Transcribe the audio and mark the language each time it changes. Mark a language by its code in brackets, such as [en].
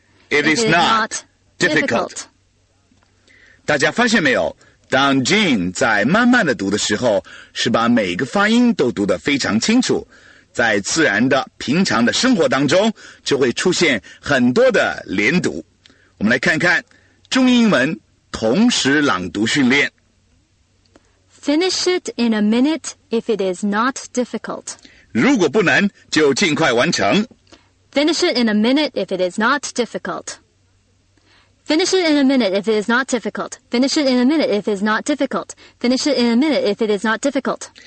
[en] Finish it in a minute if it is not difficult. [zh] 大家发现没有，当 Jean 在慢慢的读的时候，是把每个发音都读得非常清楚，在自然的平常的生活当中就会出现很多的连读。我们来看看中英文同时朗读训练。 [en] Finish it in a minute if it is not difficult. [zh] 如果不难就尽快完成。 [en] Finish it in a minute if it is not difficult. Finish it in a minute if it is not difficult. Finish it in a minute if it is not difficult. Finish it in a minute if it is not difficult.